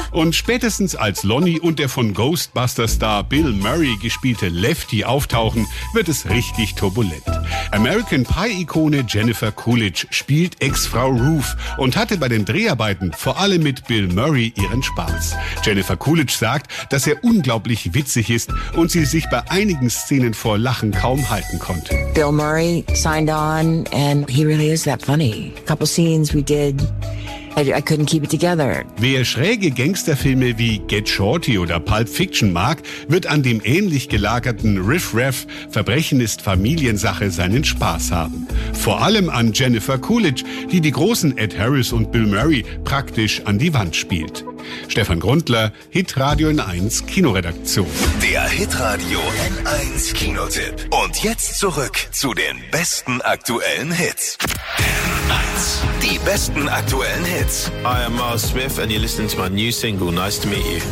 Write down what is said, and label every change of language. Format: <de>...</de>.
<de>Und spätestens als Lonnie und der von Ghostbuster-Star Bill Murray gespielte Lefty auftauchen, wird es richtig turbulent. American Pie-Ikone Jennifer Coolidge spielt Ex-Frau Ruth und hatte bei den Dreharbeiten vor allem mit Bill Murray ihren Spaß. Jennifer Coolidge sagt, dass er unglaublich witzig ist und sie sich bei einigen Szenen vor Lachen kaum halten konnte.</de> <en>Bill Murray signed on and he really is that funny. A couple scenes we did. I couldn't keep it together.</en> <de>Wer schräge Gangsterfilme wie Get Shorty oder Pulp Fiction mag, wird an dem ähnlich gelagerten Riff-Raff Verbrechen ist Familiensache seinen Spaß haben. Vor allem an Jennifer Coolidge, die die großen Ed Harris und Bill Murray praktisch an die Wand spielt. Stefan Grundler, Hitradio N1 Kinoredaktion. Der Hitradio N1 Kinotipp. Und jetzt zurück zu den besten aktuellen Hits. N1, die besten aktuellen Hits.</de> <en>I am Miles Smith and you're listening to my new single, Nice to Meet You.</en>